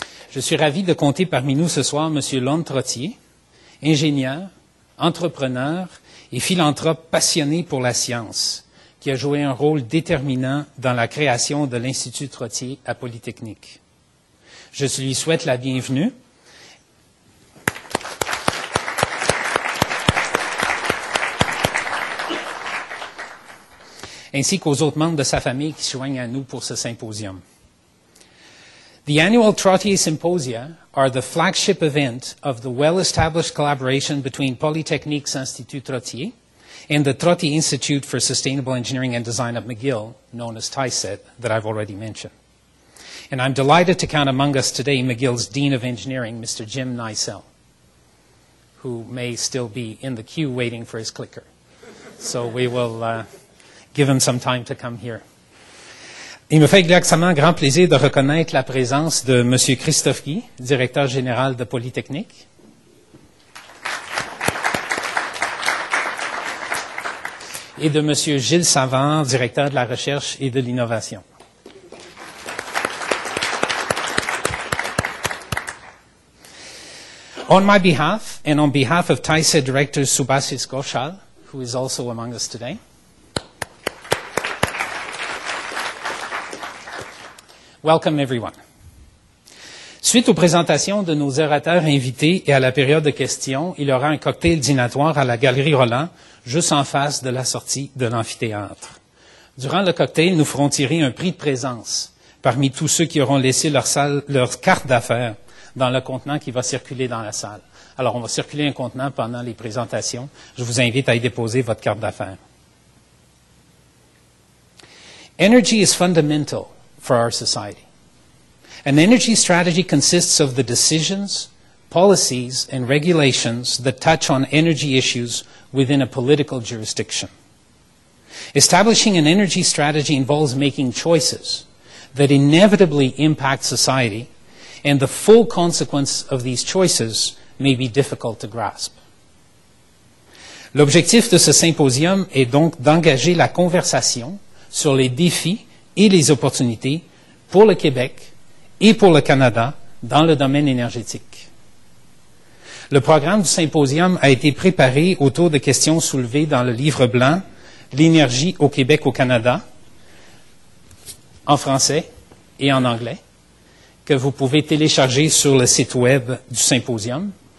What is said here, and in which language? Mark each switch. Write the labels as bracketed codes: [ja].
[fr] Je suis ravi de compter parmi nous ce soir M. Lon Trottier, ingénieur, entrepreneur et philanthrope passionné pour la science, qui a joué un rôle déterminant dans la création de l'Institut Trottier à Polytechnique. Je lui souhaite la bienvenue. Ainsi qu'aux autres membres de sa famille qui se joignent à nous pour ce symposium. [en] The annual Trottier Symposia are the flagship event of the well-established collaboration between Polytechnique's Institut Trottier and the Trottier Institute for Sustainable Engineering and Design at McGill, known as TICET, that I've already mentioned. And I'm delighted to count among us today McGill's Dean of Engineering, Mr. Jim Nisel, who may still be in the queue waiting for his clicker. So we will give him some time to come here. [fr] Il me fait extrêmement grand plaisir de reconnaître la présence de M. Christophe Guy, directeur général de Polytechnique. Et de M. Gilles Savant, directeur de la recherche et de l'innovation. [en] On my behalf, and on behalf of TICET Director Subhashis Ghoshal, who is also among us today, welcome everyone. [fr] Suite aux présentations de nos orateurs invités et à la période de questions, il y aura un cocktail dînatoire à la Galerie Roland, juste en face de la sortie de l'amphithéâtre. Durant le cocktail, nous ferons tirer un prix de présence parmi tous ceux qui auront laissé leur carte d'affaires dans le contenant qui va circuler dans la salle. Alors, on va circuler un contenant pendant les présentations. Je vous invite à y déposer votre carte d'affaires. [en] Energy is fundamental for our society. An energy strategy consists of the decisions, policies, and regulations that touch on energy issues within a political jurisdiction. Establishing an energy strategy involves making choices that inevitably impact society, and the full consequence of these choices may be difficult to grasp. [fr] L'objectif de ce symposium est donc d'engager la conversation sur les défis et les opportunités pour le Québec et pour le Canada dans le domaine énergétique. Le programme du symposium a été préparé autour de questions soulevées dans le livre blanc « L'énergie au Québec au Canada » en français et en anglais, que vous pouvez télécharger sur le site web du symposium.